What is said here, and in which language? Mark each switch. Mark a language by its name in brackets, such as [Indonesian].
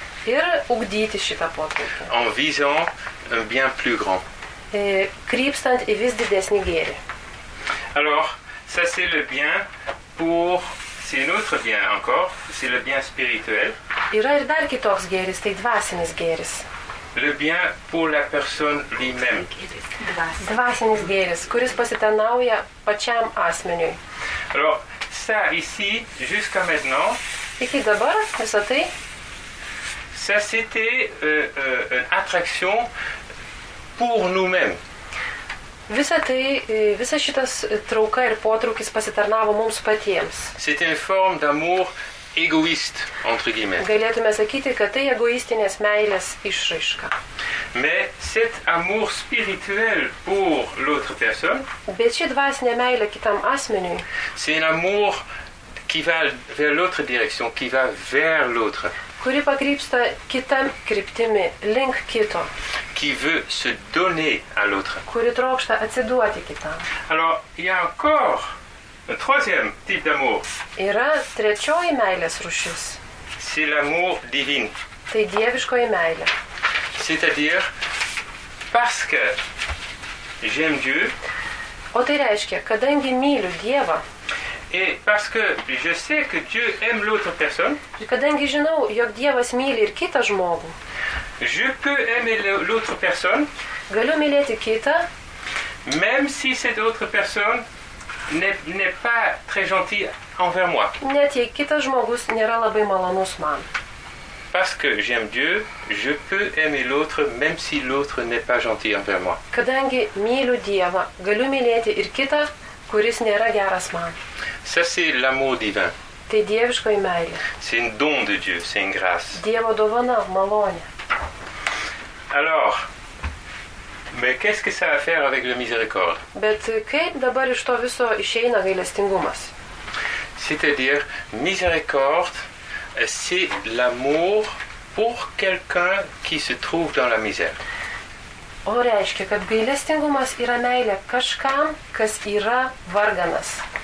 [Lithuanian] Ir ugdyti šitą potraukį. [French] En visant un bien plus grand. [Lithuanian] Et krypstant į vis didesnį gėrį. [French] Alors, ça c'est le bien pour... C'est un autre bien encore, c'est le bien spirituel. [Lithuanian] Yra ir dar kitoks gėris, tai dvasinis gėris. [French] Le bien pour la personne lui-même. [Lithuanian] Dvasinis gėris, kuris pasitarnauja pačiam asmeniui. [French] Alors, ça ici, jusqu'à maintenant... [Lithuanian] Iki dabar, visą tai... [French] Ça c'était une attraction pour nous-mêmes. [Lithuanian] Visa tai, visa šitas trauka ir potraukis pasitarnavo mums patiems. [French] C'était une forme d'amour égoïste entre guillemets. [Lithuanian] Galėtume sakyti, kad tai egoistinės meilės išraiška. [French] Mais cet amour spirituel pour l'autre personne. [Lithuanian] Bet ši dvasinė meilė kitam asmeniui. [French] C'est un amour qui va vers l'autre direction, qui va vers l'autre. [Lithuanian] Kuri pakrypsta kitam kryptimi, link kito. [French] Qui veut se donner à l'autre. [Lithuanian] Kuri trokšta atsiduoti kitam. [French] Alors, il y a encore un troisième type d'amour. [Lithuanian] Yra trečioji meilės rūšis. [French] C'est l'amour divin. [Lithuanian] Tai dieviškoji meilė. [French] C'est-à-dire, parce que j'aime Dieu. [Lithuanian] O tai reiškia, kadangi myliu Dievą. [French] Et parce que je sais que Dieu aime l'autre personne. [Lithuanian] Kadangi žinau, jog Dievas myli ir kitą žmogų. [French] Je peux aimer l'autre personne. [Lithuanian] Galiu mylėti kitą. [French] Même si cette autre personne n'est pas très gentille envers moi. [Lithuanian] Net jei kitas žmogus nėra labai malonus man. [French] Parce que j'aime Dieu, je peux aimer l'autre même si l'autre n'est pas gentil envers moi. [Lithuanian] Kadangi myliu Dievą, galiu mylėti ir kitą, kuris nėra geras man. [French] Ça c'est l'amour divin. [Lithuanian] Tai dieviškoji meilė. [French] C'est un don de Dieu, c'est une grâce. [Lithuanian] Dievo dovana, malonė. [French] Alors, mais qu'est-ce que ça a à faire avec le miséricorde? [Lithuanian] Bet kaip dabar iš to viso išeina gailestingumas? [French] C'est-à-dire, miséricorde, c'est l'amour pour quelqu'un qui se trouve dans la misère. [Lithuanian] O reiškia, kad gailestingumas yra meilė kažkam, kas yra varganas.